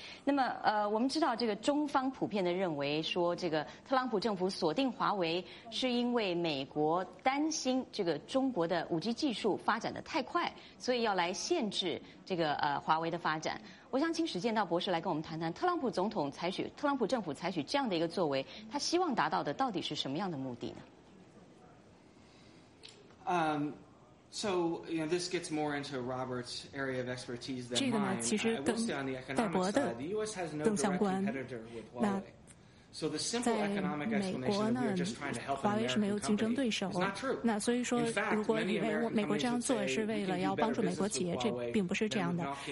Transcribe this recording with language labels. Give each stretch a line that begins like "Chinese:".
Chinese: 那么我们知道这个中方普遍的认为说，这个特朗普政府锁定华为是因为美国担心这个中国的 5G 技术发展得太快，所以要来限制这个华为的发展。我想请史建道博士来跟我们谈谈特朗普政府采取这样的一个作为，他希望达到的到底是什么样的目的呢？
English: This gets more into Robert's area of expertise than mine.
Chinese: 这个呢，其实跟戴博的更相关。那在美国呢，华为是没有竞争对手。那所以说，如果以为美国这样做是为了要帮助美国企业，这并不是这样的。